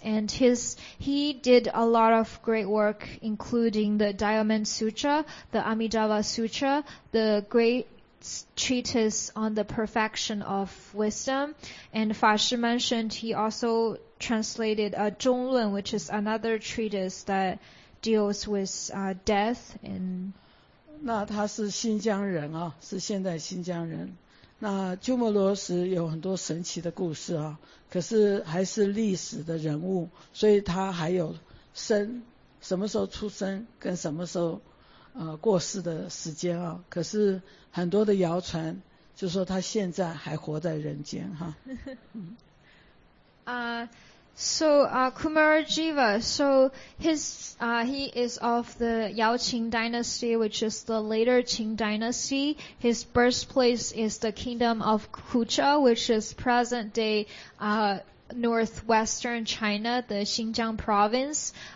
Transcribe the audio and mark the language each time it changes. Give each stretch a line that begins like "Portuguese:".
English: And he did a lot of great work, including the Diamond Sutra, the Amidava Sutra, the Great Treatise on the Perfection of Wisdom. And Fa Shi mentioned he also translated Zhonglun, which is another treatise that deals with death. And
Chinese: 那他是新疆人啊，是现代新疆人。那鸠摩罗什有很多神奇的故事啊，可是还是历史的人物，所以他还有生，什么时候出生跟什么时候过世的时间啊，可是很多的谣传就说他现在还活在人间哈。
English: Kumarajiva, so he is of the Yao Qing dynasty, which is the later Qing dynasty. His birthplace is the kingdom of Kucha, which is present day northwestern China, the Xinjiang province.